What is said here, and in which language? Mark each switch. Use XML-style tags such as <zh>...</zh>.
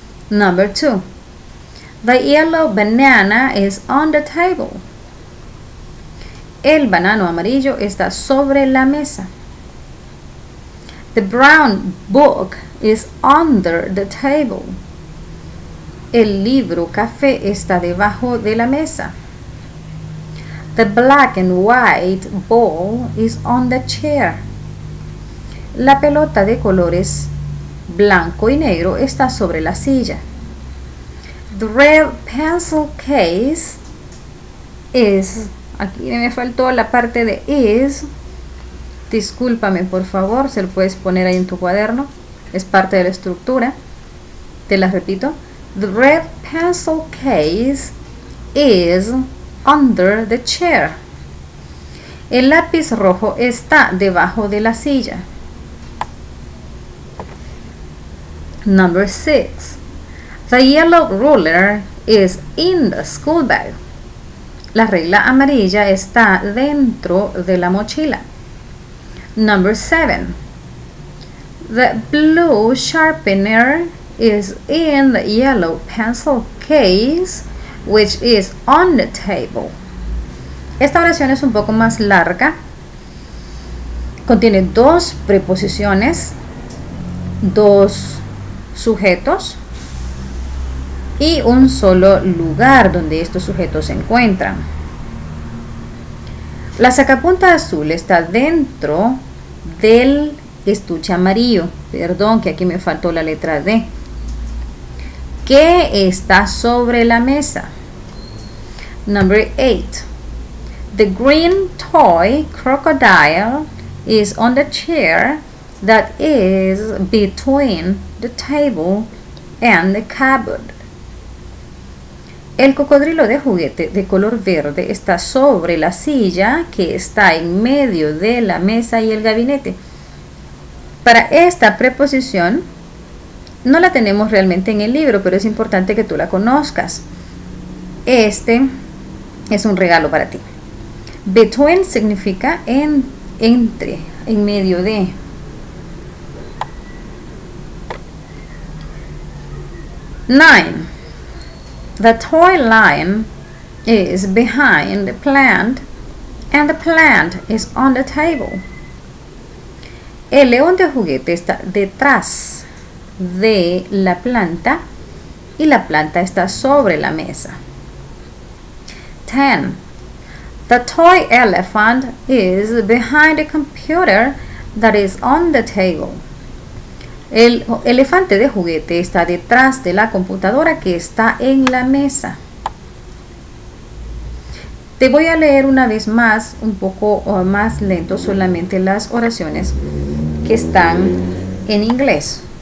<en>Number two. The yellow banana is on the table.</en> <es>El banano amarillo está sobre la mesa.</es> <en>The brown book is under the table.</en> <es>El libro café está debajo de la mesa.</es> <en>The black and white ball is on the chair.</en> <es>La pelota de colores blanco y negro está sobre la silla.</es> <en>The red pencil case is,</en> <es>aquí me faltó la parte de is, discúlpame por favor, se lo puedes poner ahí en tu cuaderno, es parte de la estructura, te la repito.</es> <en>The red pencil case is under the chair.</en> <es>El lápiz rojo está debajo de la silla.</es> <en>Number six. The yellow ruler is in the school bag.</en> <es>La regla amarilla está dentro de la mochila.</es> <en>Number seven. The blue sharpener is in the yellow pencil case, which is on the table.</en> <es>Esta oración es un poco más larga. Contiene dos preposiciones, dos sujetos y un solo lugar donde estos sujetos se encuentran. La sacapunta azul está dentro del estuche amarillo. Perdón que aquí me faltó la letra D. ¿Qué está sobre la mesa?</es> <en>Number eight. The green toy crocodile is on the chair that is between the table and the cupboard.</en> <es>El cocodrilo de juguete de color verde está sobre la silla que está en medio de la mesa y el gabinete. Para esta preposición, no la tenemos realmente en el libro, pero es importante que tú la conozcas. Este es un regalo para ti. Between significa entre, en medio de.</es> <en>Nine. The toy lion is behind the plant and the plant is on the table.</en> <es>El león de juguete está detrás de la planta y la planta está sobre la mesa.</es> <en>10. The toy elephant is behind a computer that is on the table.</en> <es>El elefante de juguete está detrás de la computadora que está en la mesa. Te voy a leer una vez más, un poco más lento, solamente las oraciones que están en inglés.</es>